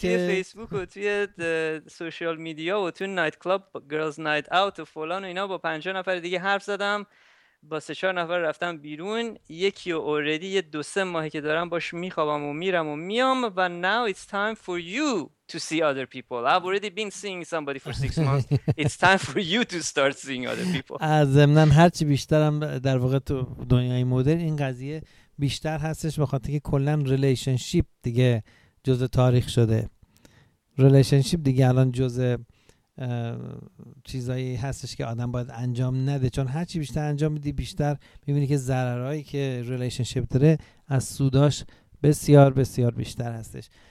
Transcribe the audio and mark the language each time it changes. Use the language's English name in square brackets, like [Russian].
[Persian] توی فیسبوک و توی سوشال میدیا و توی نایت کلاب گرلز نایت اوت و فلان و اینا با 5 نفر دیگه حرف زدم، با 3-4 نفر رفتم بیرون، یکی و اوردی یه 2-3 ماهی که دارم باش میخوابم و میرم و میام و [English] now it's time for you to see other people. I've already been seeing somebody for 6 months. It's time for you to start seeing other people. [Persian] ضمناً هرچی بیشترم در واقع تو دنیای مدرن این قضیه بیشتر هستش، بخاطر که کلن ریلیشنشیپ دیگه جزء تاریخ شده. ریلیشنشیپ دیگه الان جزء چیزایی هستش که آدم باید انجام نده، چون هر چی بیشتر انجام میدی بیشتر میبینی که ضررهایی که ریلیشنشیپ داره از سوداش بسیار بسیار بیشتر هستش.